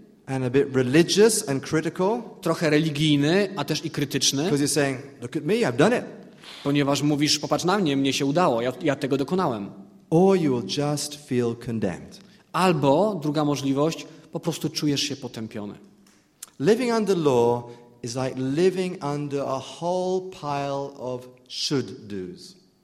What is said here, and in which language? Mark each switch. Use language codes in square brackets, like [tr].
[en] and a bit religious and critical, [pl] trochę religijny, a też i krytyczny. [en] Because you're saying, look at me, I've done it. [pl] Ponieważ mówisz, popatrz na mnie, mnie się udało, ja tego dokonałem. [en] Or you will just feel condemned. [pl] Albo druga możliwość, po prostu czujesz się potępiony. [en] Living under law is like living under a whole pile of should do's.